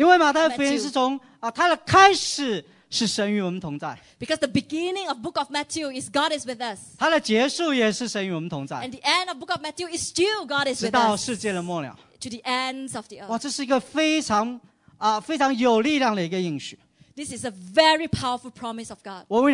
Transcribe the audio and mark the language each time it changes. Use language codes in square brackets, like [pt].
[zh] 因为马太福音是从它的开始是神与我们同在。 [en] Because the beginning of the book of Matthew is God is with us. [zh] 它的结束也是神与我们同在。 [en] And the end of the book of Matthew is still God is with us. [zh] 直到世界的末了。 [en] To the ends of the earth. [zh] 哇，这是一个非常有力量的一个应许。 [en] This is a very powerful promise of God.